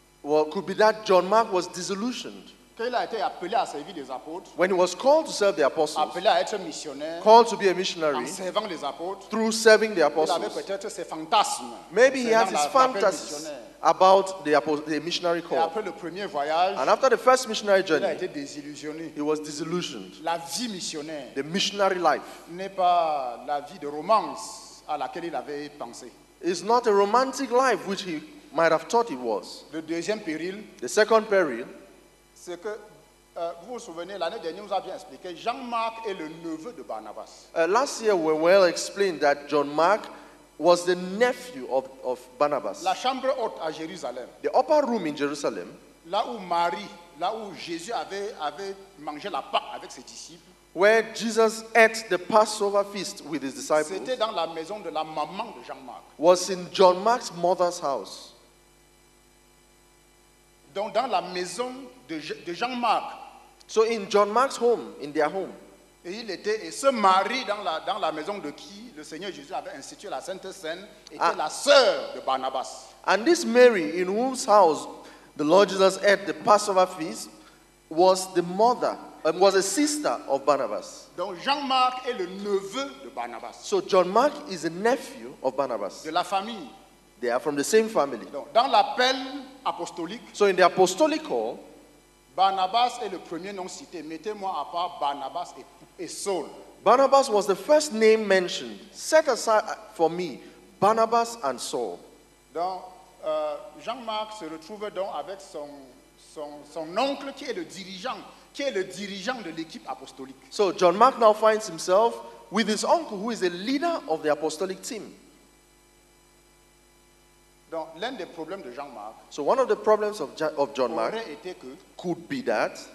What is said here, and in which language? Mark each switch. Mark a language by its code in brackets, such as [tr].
[en] Well, could be that John-Marc was disillusioned. [fr] Quand il a été appelé à servir les apôtres, [en] when he was called to serve the apostles, [fr] appelé à être missionnaire, [en] called to be a missionary, [fr] en servant les apôtres, [en] through serving the apostles, [fr] il avait peut-être ses fantasmes. [en] Maybe he has his fantasies about the missionary call. [fr] Et après le premier voyage, [en] and after the first missionary journey, [fr] il a été désillusionné. [en] He was disillusioned. [fr] La vie missionnaire, [en] the missionary life, [fr] n'est pas la vie de romance à laquelle il avait pensé. [en] It's not a romantic life which he might have thought it was. [fr] Le deuxième péril, [en] the second peril, [fr] c'est que vous vous souvenez, l'année dernière, nous a bien expliqué, Jean-Marc est le neveu de Barnabas. [en] Last year, we well explained that John-Marc was the nephew of Barnabas. [fr] La chambre haute à Jérusalem. [en] The upper room in Jerusalem. [fr] Là où Marie, là où Jésus avait mangé la Pâque avec ses disciples. [en] Where Jesus ate the Passover feast with his disciples. [fr] C'était dans la maison de la maman de Jean-Marc. [en] Was in John-Marc's mother's house. [fr] Donc dans la maison de Jean-Marc. [en] So in John-Marc's home, in their home. [fr] Et il était et se marie dans la maison de qui le Seigneur Jésus avait institué la Sainte Cène était la sœur de Barnabas. [en] And this Mary, in whose house the Lord Jesus ate the Passover feast, was the mother, was a sister of Barnabas. [fr] Donc Jean-Marc est le neveu de Barnabas. [en] So John-Marc is a nephew of Barnabas. [fr] De la famille. [en] They are from the same family. [fr] Donc dans l'appel apostolique. [en] So in the apostolic call, [fr] Barnabas est le premier nom cité. Mettez-moi à part Barnabas et Saul. [en] Barnabas was the first name mentioned. Set aside for me, Barnabas and Saul. [fr] Donc, Jean-Marc se retrouve donc avec son oncle qui est le dirigeant de l'équipe apostolique. [en] So John-Marc now finds himself with his uncle who is a leader of the apostolic team. [fr] Donc, l'un des problèmes de Jean-Marc. [en] So one of the problems of John-Marc could be that